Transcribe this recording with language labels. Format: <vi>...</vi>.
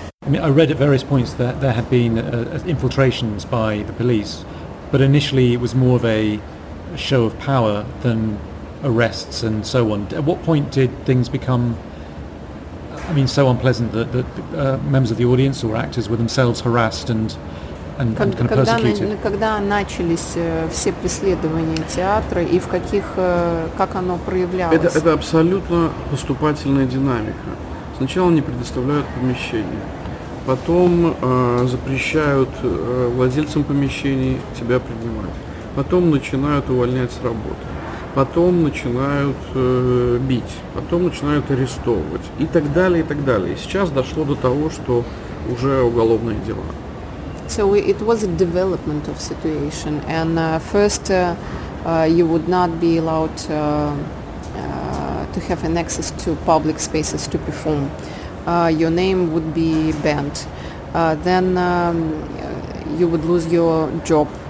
<en>I mean, I read at various points that there had been infiltrations by the police, but initially it was more of a show of power than arrests and so on. At what point did things become, I mean, so unpleasant that, members of the audience or actors were themselves harassed and kind of persecuted?</en> <ru>Когда начались все преследования театра и в каких как оно проявлялось? Это абсолютно поступательная динамика. Сначала не предоставляют помещения, потом запрещают владельцам помещений тебя принимать. Потом начинают увольнять с работы, потом начинают бить, потом начинают арестовывать и так далее, и так далее. И сейчас дошло до того, что уже уголовные дела.</ru> <en>So it was a development of situation. And first you would not be allowed to have an access to public spaces to perform. Your name would be banned. Then you would lose your job.</en>